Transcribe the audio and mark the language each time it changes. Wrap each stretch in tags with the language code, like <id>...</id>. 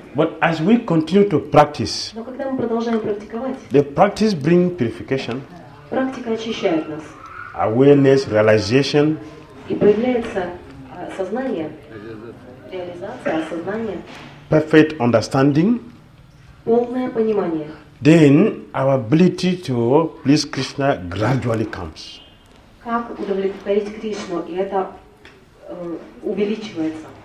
<en>But as we continue to practice,</en> <ru>но когда мы продолжаем практиковать,</ru> <en>the practice brings purification.</en> <ru>Практика очищает нас.</ru> <en>Awareness, realization.</en> <ru>И появляется сознание, реализация, осознание.</ru> <en>Perfect understanding.</en> <ru>Полное понимание.</ru> <en>Then our ability to please Krishna gradually comes.</en> <ru>Как удовлетворить Кришну, и это увеличивается.</ru>